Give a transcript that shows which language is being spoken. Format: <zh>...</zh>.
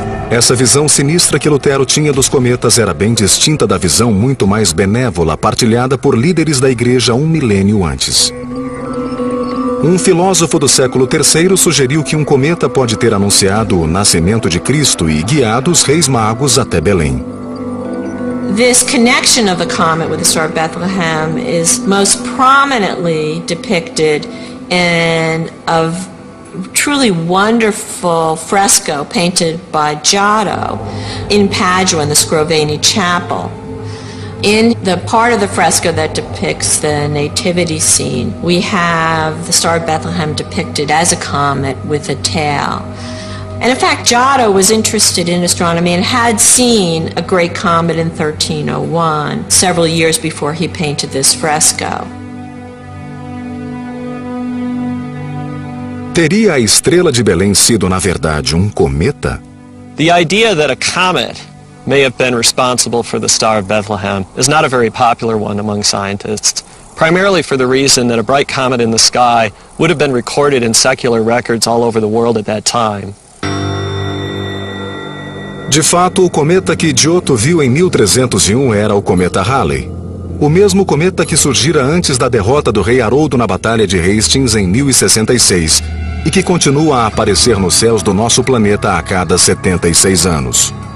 <pt>Essa visão sinistra que Lutero tinha dos cometas era bem distinta da visão muito mais benévola partilhada por líderes da igreja um milênio antes. Um filósofo do século III sugeriu que um cometa pode ter anunciado o nascimento de Cristo e guiado os reis magos até Belém.</pt> <en>This connection of the comet with the star of Bethlehem is most prominently depicted in a truly wonderful fresco painted by Giotto in Padua in the Scrovegni Chapel. In the part of the fresco that depicts the nativity scene, we have the Star of Bethlehem depicted as a comet with a tail. And in fact, Giotto was interested in astronomy and had seen a great comet in 1301, several years before he painted this fresco.</en> <pt>Teria a estrela de Belém sido, na verdade, um cometa?</pt> <en>The idea that a comet may have been responsible for the Star of Bethlehem is not a very popular one among scientists, primarily for the reason that a bright comet in the sky would have been recorded in secular records all over the world at that time.</en> <pt>De fato, o cometa que Giotto viu em 1301 era o cometa Halley, o mesmo cometa que surgira antes da derrota do rei Haroldo na Batalha de Hastings em 1066 e que continua a aparecer nos céus do nosso planeta a cada 76 anos.</pt>